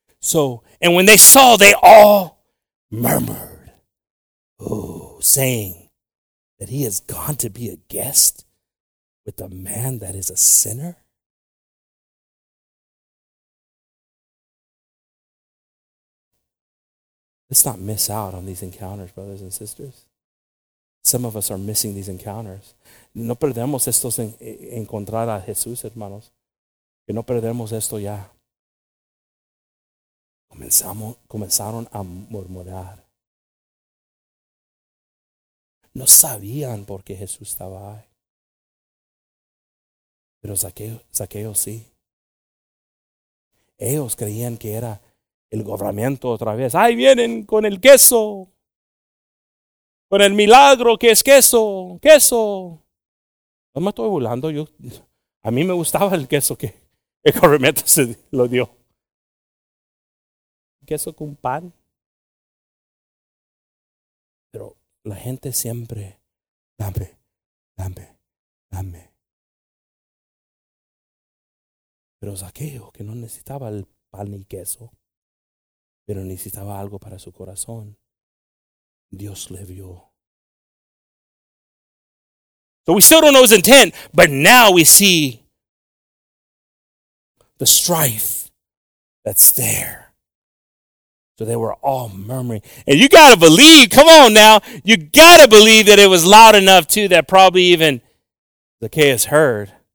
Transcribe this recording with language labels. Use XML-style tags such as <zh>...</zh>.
<en>So, and when they saw, they all murmured, oh, saying that he has gone to be a guest with a man that is a sinner. Let's not miss out on these encounters, brothers and sisters. Some of us are missing these encounters.</en> <es>No perdemos estos en encontrar a Jesús, hermanos. Que no perdemos esto ya. Comenzaron a murmurar. No sabían por qué Jesús estaba ahí. Pero Zaqueo sí. Ellos creían que era el gobernamiento otra vez. ¡Ay, vienen con el queso! Con el milagro que es queso, queso. No me estoy burlando. A mí me gustaba el queso que el gobernamento se lo dio. Queso con pan. Pero la gente siempre, dame, dame, dame. Pero Zaqueo, que no necesitaba el pan ni queso, pero necesitaba algo para su corazón, Dios le vio.</es> <en>So we still don't know his intent, but now we see the strife that's there. So they were all murmuring. And you got to believe, come on now, you got to believe that it was loud enough too that probably even Zacchaeus heard.</en>